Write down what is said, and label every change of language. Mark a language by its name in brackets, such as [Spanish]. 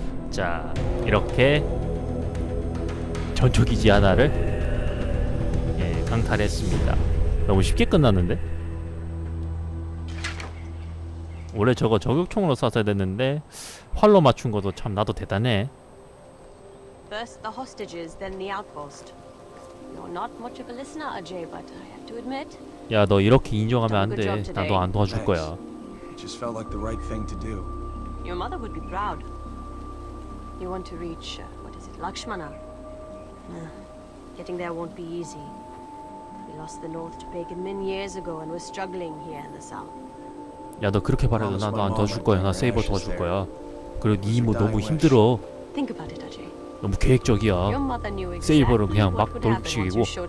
[Korean] 자 이렇게 전초기지 하나를 예, 강탈했습니다. 너무 쉽게 끝났는데? 원래 저거 저격총으로 쐈어야 됐는데 활로 맞춘 것도 참 나도 대단해. [English] First the hostages, then the outpost. You're not much of a listener, Ajay, but I have to admit. [Korean] 야, 너 이렇게 인정하면 안 돼. 나도 안 도와줄 거야. [English] It just felt like the right thing to do. Your mother would be proud. You want to reach what is it, Lakshmana? Getting there won't be easy. We lost the north to pagan men years ago, and we're struggling here in the south. [Korean] 야, 너 그렇게 말해도 나도 안 도와줄 거야. 나 세이버 도와줄 거야. 그리고 네 이모 너무 힘들어. 너무 계획적이야. 세이버는 그냥 막 돌치고.